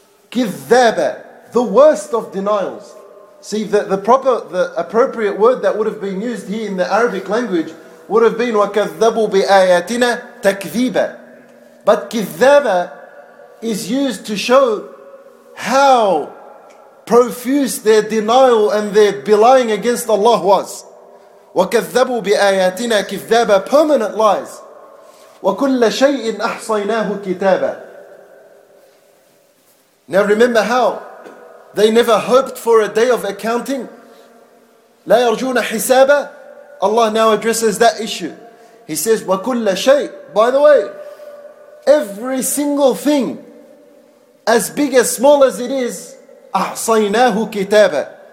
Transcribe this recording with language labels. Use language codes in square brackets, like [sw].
[en] كِذَّبًا, the worst of denials. See, the appropriate word that would have been used here in the Arabic language would have been [ar] وَكَذَّبُوا بِآيَاتِنَا تَكْذِيبًا. [en] But كِذَّبَ is used to show how profuse their denial and their belying against Allah was. [ar] وَكَذَّبُوا بِآيَاتِنَا كِذَّبًا, [en] permanent lies. [ar] وَكُلَّ شَيْءٍ أَحْصَيْنَاهُ كِتَابًا. [en] Now remember how they never hoped for a day of accounting. [ar] لَا يَرْجُونَ حِسَابًا. [en] Allah now addresses that issue. He says, [ar] وَكُلَّ شَيْءٍ. [en] By the way, every single thing, as big as small as it is, [ar] أَحْصَيْنَاهُ كِتَابًا.